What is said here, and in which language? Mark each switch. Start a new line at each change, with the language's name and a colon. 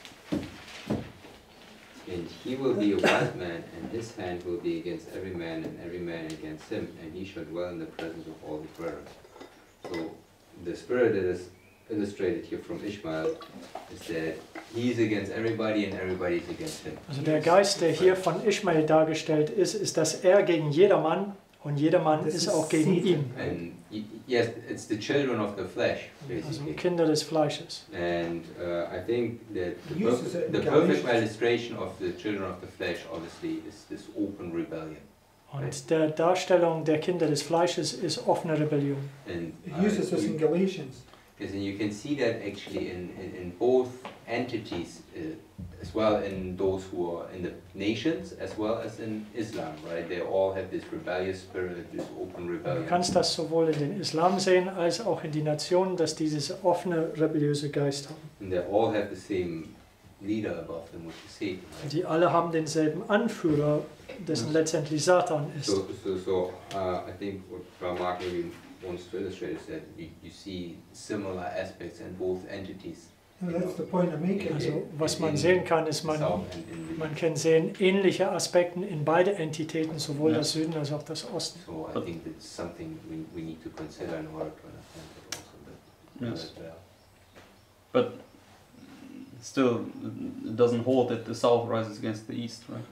English: And he will be a wild man, and his hand will be against every man, and every man against him, and he shall dwell in the presence of all the brethren. So the spirit that is illustrated here from Ishmael is that he is against everybody and everybody is against him.
German: Also der Geist, der hier von Ishmael dargestellt ist, ist, dass er gegen jedermann und jedermann ist auch gegen ihn.
English: And yes, it's the children of the flesh, basically.
German: Also Kinder des Fleisches.
English: And I think that the perfect illustration of the children of the flesh, obviously, is this open rebellion.
German: Und der Darstellung der Kinder des Fleisches ist offene Rebellion.
English: And he uses this in Galatians. Because then you can see that actually in both entities, as well in those who are in the nations, as well as in Islam, right? They all have this rebellious spirit, this open rebellion.
German: Du kannst das sowohl in den Islam sehen, als auch in die Nationen, dass dieses offene, rebelliöse Geist haben.
English: And they all have the same leader above them, which is Satan, right?
German: Die alle haben denselben Anführer, dessen letztendlich Satan ist.
English: So, I think what Mark maybe wants to illustrate is that you see similar aspects in both entities. Well, that's the point I'm making.
German: Also, was man sehen kann, ist, man kann sehen ähnliche Aspekte in beide Entitäten, sowohl das Süden als auch das Osten.
English: So I think that's something we need to consider in order to understand it also. But still, it doesn't hold that the south rises against the east, right?